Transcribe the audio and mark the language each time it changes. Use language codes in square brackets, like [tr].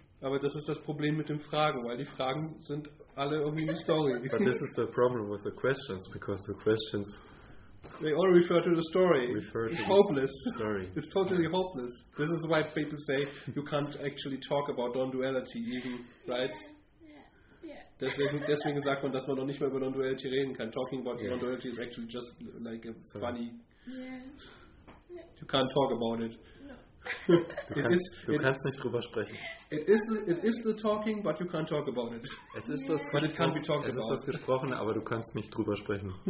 [de] Aber das ist das Problem mit den Fragen, weil die Fragen sind alle irgendwie eine Story. [en] But this is the problem with the questions, because the questions, they all refer to the story. Refer to hopeless. The story. It's totally hopeless. This is why people say you can't actually talk about non-duality even, right? [de] Deswegen sagt man, dass man noch nicht mehr über non-duality reden kann. [en] Talking about non-duality is actually just like a funny. Yeah. You can't talk about it. [de] Du kannst nicht drüber sprechen. [en] It is the talking, but you can't talk about it. [de] Es ist das, [en] but it can't be talked about. [de] Es ist das Gesprochene, aber du kannst nicht drüber sprechen.